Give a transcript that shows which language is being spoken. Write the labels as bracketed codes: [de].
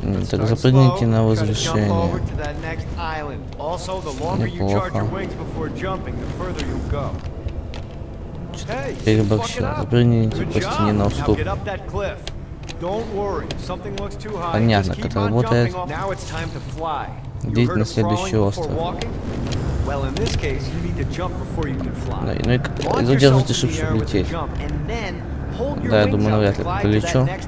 [ru] Так, запрыгните на разрешение. Неплохо. Переборщил. Запрыгните по стене на уступ. [en] Don't worry, something looks too high. [ru] Понятно, как это работает. [en] Now it's time to fly. [ru] Идите на следующий остров. [en] Well, in this case, you need to jump before you can fly. [ru] Да, ну и задержите, чтобы лететь. Да, я думаю, навряд ли полечу.